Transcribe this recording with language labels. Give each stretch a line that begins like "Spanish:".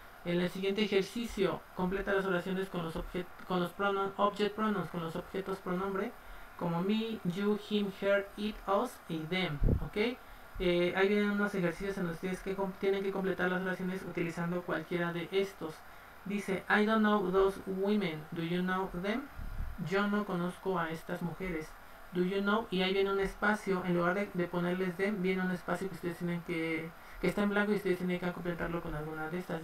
Spanish: En el siguiente ejercicio, completa las oraciones con los object pronouns, con los objetos pronombre, como me, you, him, her, it, us y them, ¿ok? Ahí vienen unos ejercicios en los que tienen que completar las oraciones utilizando cualquiera de estos.
English: Dice, I don't know those women, do you know them?
Spanish: Yo no conozco a estas mujeres,
English: do you know?
Spanish: Y ahí viene un espacio, en lugar de ponerles them, viene un espacio que ustedes tienen que está en blanco y ustedes tienen que completarlo con alguna de estas.